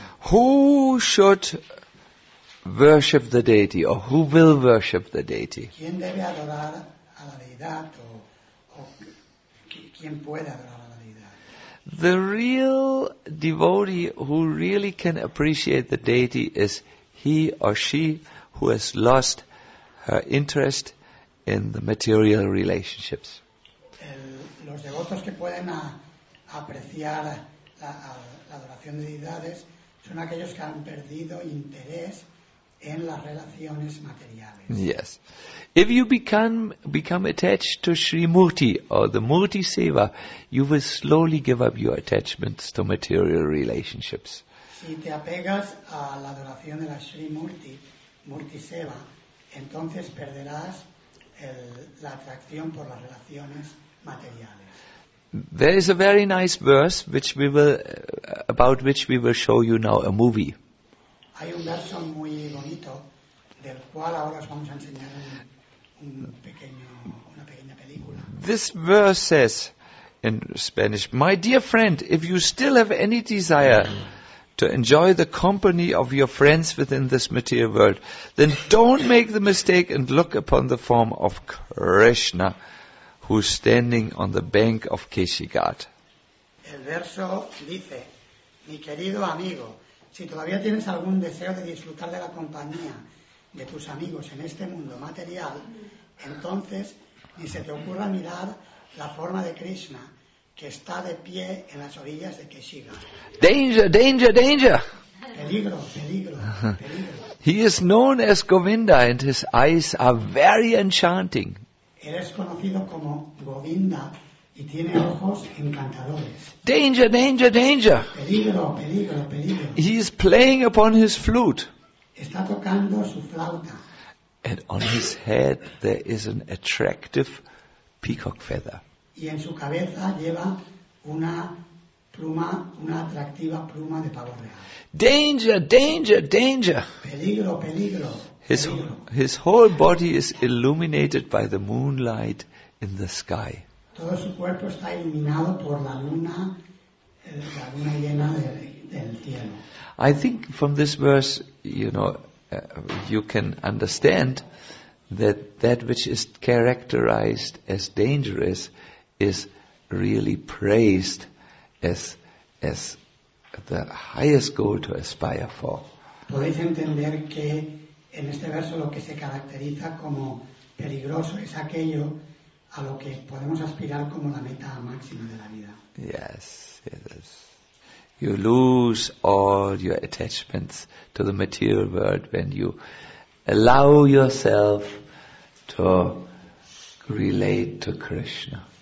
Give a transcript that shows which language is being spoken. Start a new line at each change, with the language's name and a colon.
English: Who should worship the deity, or who will worship the deity?
Spanish: ¿Quién debe adorar a la deidad, o quién puede adorar a la deidad?
English: The real devotee who really can appreciate the deity is he or she who has lost her interest in the material relationships.
Spanish: Los devotos que pueden apreciar la adoración de deidades son aquellos que han perdido interés en las relaciones materiales.
English: Yes. If you become attached to Srimuti or the Muti Seva, you will slowly give up your attachments to material relationships.
Spanish: Si te apegas a la adoración de la Srimuti, Muti Seva, entonces perderás la atracción por las relaciones materiales.
English: There is a very nice verse which we will about which we will show you now a movie.
Spanish: Hay un verso muy bonito del cual ahora os vamos a enseñar una pequeña película.
English: This verse says in Spanish, "My dear friend, if you still have any desire to enjoy the company of your friends within this material world, then don't make the mistake and look upon the form of Krishna, who's standing on the bank of Keshigat."
Spanish: El verso dice, mi querido amigo, si todavía tienes algún deseo de disfrutar de la compañía de tus amigos en este mundo material, entonces ni se te ocurra mirar la forma de Krishna, que está de pie en las orillas de Keshigat.
English: Danger, danger, danger.
Spanish: Peligro, peligro, peligro.
English: He is known as Govinda and his eyes are very enchanting.
Spanish: Él es conocido como Govinda y tiene ojos encantadores.
English: Danger, danger, danger.
Spanish: Peligro, peligro, peligro.
English: He is playing upon his flute.
Spanish: Está tocando su flauta.
English: And on his head there is an attractive peacock feather.
Spanish: Y en su cabeza lleva una pluma, una atractiva pluma de pavo real.
English: Danger, danger, danger.
Spanish: Peligro, peligro.
English: His whole body is illuminated by the moonlight in the sky.
Spanish: Todo su cuerpo está iluminado por la luna llena del cielo.
English: I think from this verse, you know, you can understand that which is characterized as dangerous is really praised as the highest goal to aspire for.
Spanish: Podéis entender que en este verso lo que se caracteriza como peligroso es aquello a lo que podemos aspirar como la meta máxima de la vida.
English: Yes. You lose all your attachments to the material world when you allow yourself to relate to Krishna.